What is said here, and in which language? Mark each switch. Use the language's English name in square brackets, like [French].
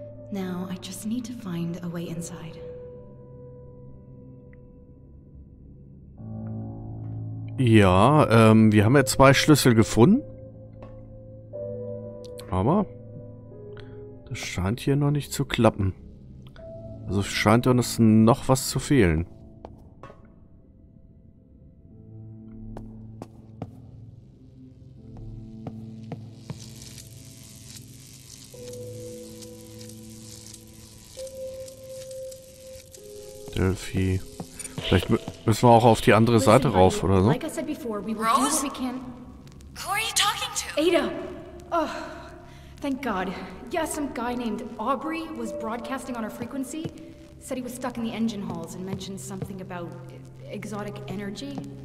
[English] Now I just need to find a way inside. [German] Ja, wir haben ja zwei Schlüssel gefunden. Aber das scheint hier noch nicht zu klappen. Also scheint uns noch was zu fehlen. Delphi. Vielleicht müssen wir auch auf die andere Seite rauf oder so. [English] Like I said before, we will do what we can. Who are you talking to? Ada. Oh, thank God. Yes, some guy named Aubrey was broadcasting on our frequency. Said he was stuck in the engine halls and mentioned something about exotic energy.